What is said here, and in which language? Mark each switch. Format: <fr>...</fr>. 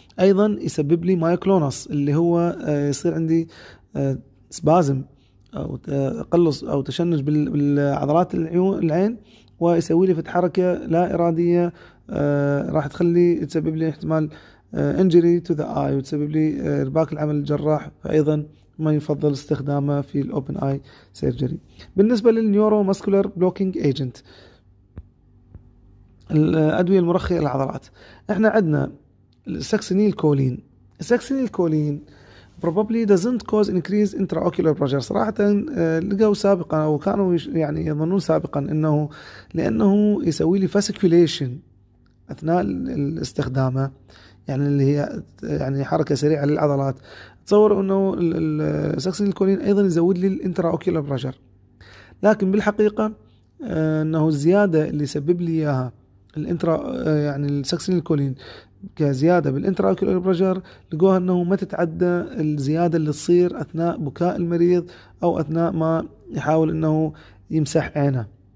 <ar>ايضا يسبب لي مايوكلونس اللي هو يصير عندي سبازم او تقلص او تشنج بالعضلات العين، ويسوي لي فد حركه لا اراديه راح تخلي تسبب لي احتمال انجري تو ذا اي، وتسبب لي ارباك العمل الجراح، فايضا ما يفضل استخدامه في الاوبن اي سيرجري. بالنسبه للنيورو ماسكولر بلوكينج ايجنت، الادويه المرخيه للعضلات، احنا عندنا السكسينيل كولين.</ar> <en>السكسينيل كولين probably doesn't cause increase intraocular pressure.</en> <ar>صراحة لقوا سابقا أو كانوا يعني يظنون سابقا أنه لأنه يسوي لي fasciculation أثناء الاستخدام، يعني اللي هي يعني حركة سريعة للعضلات. تصور انه السكسينيل كولين ايضا يزود لي الانترا اوكيولار بريشر، لكن بالحقيقه انه الزياده اللي يسبب لي اياها الانترا يعني السكسينيل كولين كزياده بالانترا اوكيولار بريشر، لقوها انه ما تتعدى الزياده اللي تصير اثناء بكاء المريض او اثناء ما يحاول انه يمسح عينه.</ar>